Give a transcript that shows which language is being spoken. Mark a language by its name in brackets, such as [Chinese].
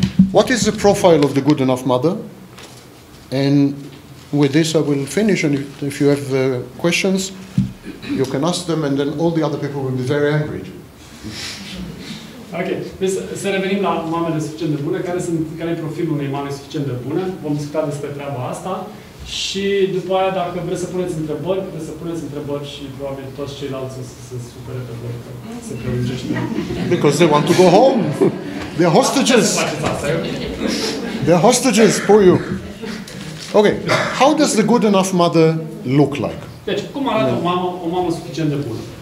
[English] What is the profile of the good enough mother? And with this I will finish, and if you have questions, you can ask them, and then all the other people will be very angry. [Romanian] Ok, să revenim la mamele suficient de bune. Care e profilul unei mame suficient de bune? Vom discuta despre treaba asta. Și după aia, dacă vreți să puneți întrebări, puteți să puneți întrebări și probabil toți ceilalți o să se supere pe voi că se prelungește. [English] Because they want to go home. They're hostages. They're hostages for you. Ok, how does the good enough mother look like? [Romanian] Deci, cum arată o mamă suficient de bună?